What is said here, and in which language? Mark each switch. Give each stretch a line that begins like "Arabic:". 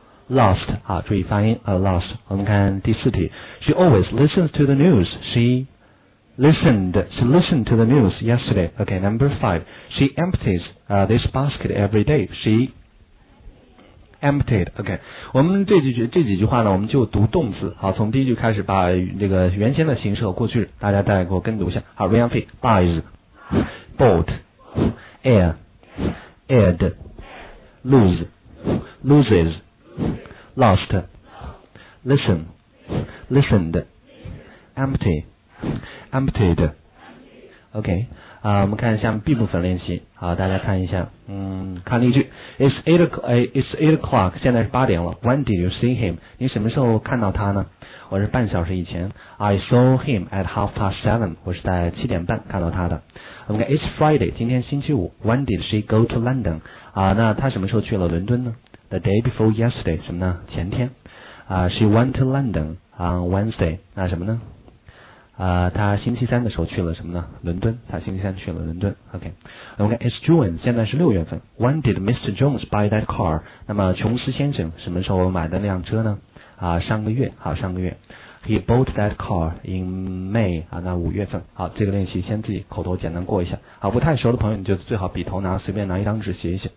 English: lost
Chinese: 注意发音
English: lost
Chinese: 我们看第四题
English: She always listens to the news She listened to the news yesterday OK number five She empties this basket every day SheEmptied, OK.
Chinese: 我们这几句话呢，我们就读动词。好，从第一句开始，把这个原先的形式和过去，大家再给我跟读一下。
English: 好 ，Ryan Fee buys, bought, air, aired, lose, loses, lost, listen, listened, empty, emptied. OK.
Chinese: 我们看一下 B 部分练习。好，大家看一下，看例句。
English: It's eight o'clock，
Chinese: 现在是八点了。
English: When did you see him？
Chinese: 你什么时候看到他呢？我是半小时以前。
English: I saw him at 7:30。
Chinese: 我是在七点半看到他的。我们看
English: It's Friday，
Chinese: 今天星期五。
English: When did she go to London？
Chinese: 那他什么时候去了伦敦呢 ？
English: The day before yesterday，
Chinese: 什么呢？前天。
English: She went to London on Wednesday。
Chinese: 那什么呢？他星期三的时候去了什么呢？伦敦。他星期三去了伦敦。 OK， 我们看
English: It's June，
Chinese: 现在是六月份。
English: When did Mr. Jones buy that car？
Chinese: 那么琼斯先生什么时候买的那辆车呢？上个月。好，上个月。
English: He bought that car in May。
Chinese: 那五月份。好，这个练习先自己口头简单过一下。好，不太熟的朋友你就最好笔头拿，随便拿一张纸写一写。